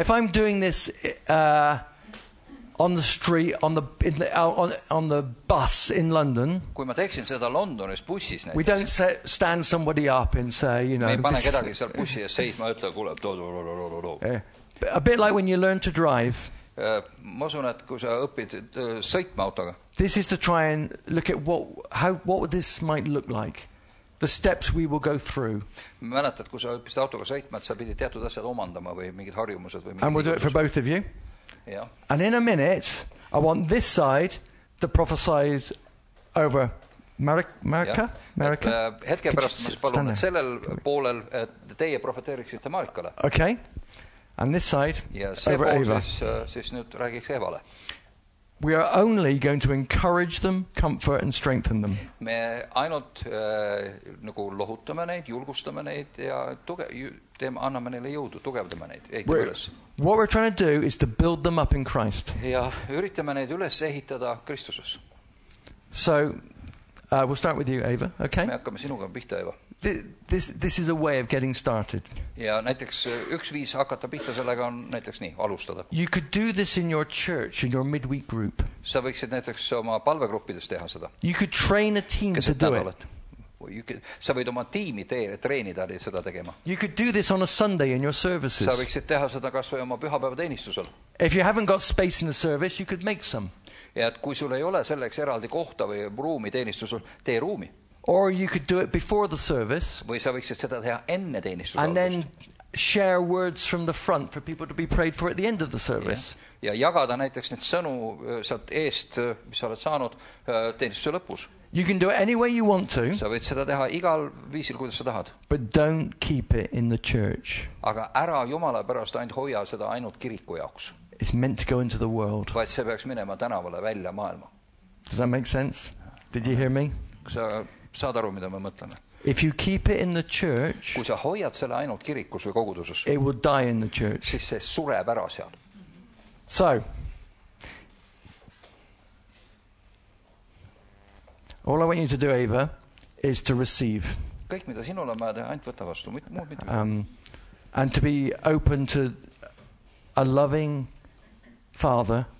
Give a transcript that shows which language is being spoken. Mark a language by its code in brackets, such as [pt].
[en] If I'm doing this on the street on the bus in London. [et] Kui ma teeksin seda Londonis bussis näiteks. [en] We don't stand somebody up and say, you know. [et] Me ei pane kedagi seal bussi ja seis, ma ütlen, kuule, [en] A bit like when you learn to drive. [et] Ma usun, et kui sa õpid sõitma autoga. [en] This is to try and look at what this might look like. The steps we will go through. [et] Mäletad, kui sa õppisid autoga sõitma, et sa pidid teatud asjad omandama või mingid harjumused. Või [en] and we'll do it for both of you. Yeah. And in a minute, I want this side to prophesy over Marika. Marika? [et] Hetke pärast, ma palun, et sellel poolel, et teie profeteeriksite Marikale. [en] Okay. And this side, [et] see [en] over Eva. [et] Siis nüüd räägiks Evale. [en] We are only going to encourage them, comfort and strengthen them. [et] Me ainult nagu lohutame neid, julgustame neid ja anname neile jõudu, tugevdame neid. [en] What we're trying to do is to build them up in Christ. [et] Ja üritame neid üles ehitada Kristuses. [en] So, we'll start with you, Eva, okay? [et] Me hakkame sinuga pihta, Eva. [en] This is a way of getting started. [et] Ja näiteks üks viis hakata pihta sellega on näiteks nii, alustada. [en] You could do this in your church, in your midweek group. [et] Sa võiksid näiteks oma palvegruppides teha seda. [en] You could train a team to do it. [et] Sa võid oma tiimi treenida seda tegema. [en] You could do this on a Sunday in your services. [et] Sa võiksid teha seda kas või oma pühapäeva teenistusel. [en] If you haven't got space in the service, you could make some. [et] Ja kui sul ei ole selleks eraldi kohta või ruumi teenistusel, tee ruumi. [en] Or you could do it before the service. [et] Või sa võiksid seda teha enne teenistuse algust. [en] And then share words from the front for people to be prayed for at the end of the service. [et] Ja jagada näiteks need sõnu sealt eest, mis sa oled saanud teenistuse lõpus. [en] You can do it any way you want to. [et] Sa võid seda teha igal viisil, kuidas sa tahad. [en] But don't keep it in the church. [et] Aga ära Jumala pärast ainult hoia seda ainult kiriku jaoks. [en] It's meant to go into the world. [et] Vaid see peaks minema tänavale välja maailma. [en] Does that make sense? Did you hear me? [et] Sa saad aru, mida me mõtleme. [en] If you keep it in the church, [et] kui sa hoiad selle ainult kirikus või koguduses, [en] it will die in the church. [et] Siis see sureb ära seal. [en] So, all I want you to do, Eva, is to receive. [et] Kõik, mida sinul on, ma teha, ainult võtta vastu. [en] And to be open to a loving father.